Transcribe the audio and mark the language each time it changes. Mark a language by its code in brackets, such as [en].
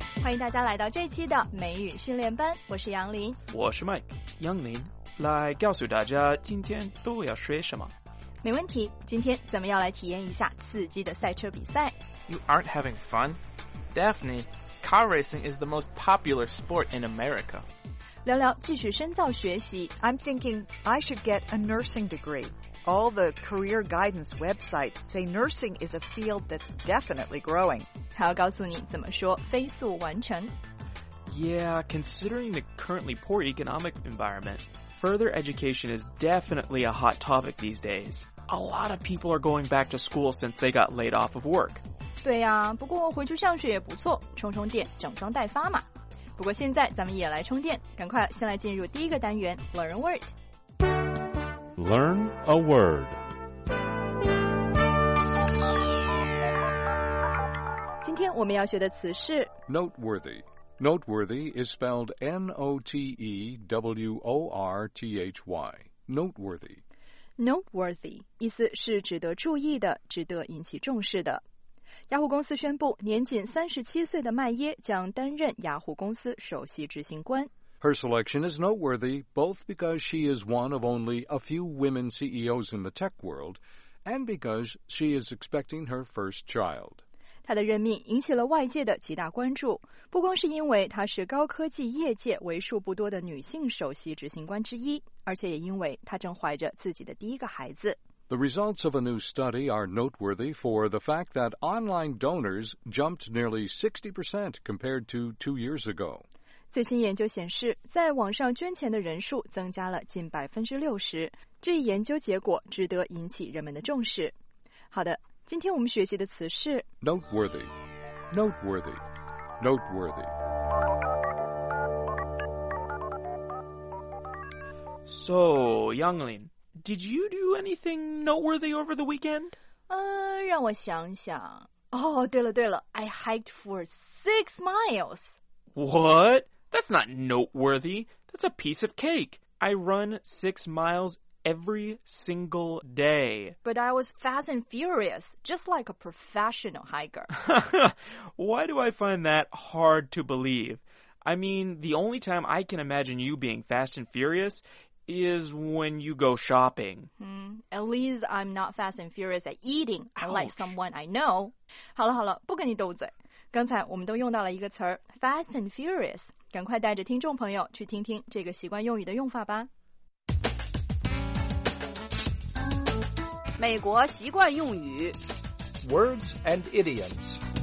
[zh] 迎大家来到这期的美语训练班，我是杨林。我是 Mike。杨林，来告诉大家今天都要学什么。没问题，今天咱们要来体验一下刺激的赛车比赛。 [en] You aren't having fun? Daphne, car racing is the most popular sport in America. [zh] 聊聊继续深造学习。 [en] I'm thinking I should get a nursing degree. All the career guidance websites say nursing is a field that's definitely growing. [zh] 还要告诉你怎么说飞速完成。 [en] Yeah, considering the currently poor economic environment, further education is definitely a hot topic these days. A lot of people are going back to school since they got laid off of work. [zh] 对呀、啊、不过回去上学也不错，充充电，整装待发嘛。不过现在咱们也来充电，赶快先来进入第一个单元 Learn a Word。 [en] Learn a Word。 [zh] 今天我们要学的词是 [en] Noteworthy。 Noteworthy is spelled N-O-T-E-W-O-R-T-H-Y. Noteworthy. [zh] Noteworthy 意思是值得注意的，值得引起重视的。雅虎公司宣布，年仅37岁的麦耶将担任雅虎公司首席执行官。 [en] Her selection is noteworthy both because she is one of only a few women CEOs in the tech world and because she is expecting her first child. [zh] 他的任命引起了外界的极大关注，不光是因为他是高科技业界为数不多的女性首席执行官之一，而且也因为他正怀着自己的第一个孩子。 [en] The results of a new study are noteworthy for the fact that online donors jumped nearly 60% compared to 2 years ago. [zh] 最新研究显示，在网上捐钱的人数增加了近60%，这一研究结果值得引起人们的重视。好的。今天我们学习的词是 [en] noteworthy, noteworthy, noteworthy. So, Younglin, did you do anything noteworthy over the weekend? [zh] 让我想想。 [en] Oh, [zh] 对了对了 [en] I hiked for 6 miles. What? That's not noteworthy. That's a piece of cake. I run 6 miles every single day. But I was fast and furious, just like a professional hiker. Why do I find that hard to believe? I mean, the only time I can imagine you being fast and furious is when you go shopping. At least I'm not fast and furious at eating, like someone I know. [zh] 好了好了，不跟你斗嘴。刚才我们都用到了一个词儿 [en] fast and furious. [zh] 赶快带着听众朋友去听听这个习惯用语的用法吧。美国习惯用语 [en] Words and idioms.